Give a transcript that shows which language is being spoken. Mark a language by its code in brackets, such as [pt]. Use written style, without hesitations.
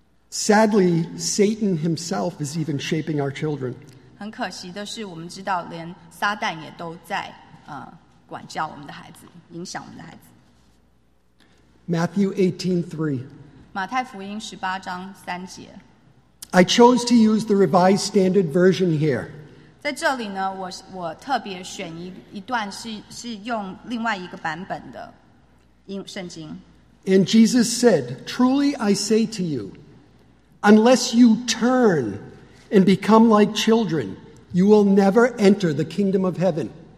[en] Sadly, Satan himself is even shaping our children. [zh] 很可惜的是，我们知道连撒旦也都在管教我们的孩子，影响我们的孩子。 [en] Matthew 18:3. [zh] 马太福音18章3节。 [en] I chose to use the Revised Standard Version here. [zh] 在这里呢，我特别选一段是用另外一个版本的圣经。 [en] And Jesus said, "Truly I say to you, unless you turn and become like children, you will never enter the kingdom of heaven."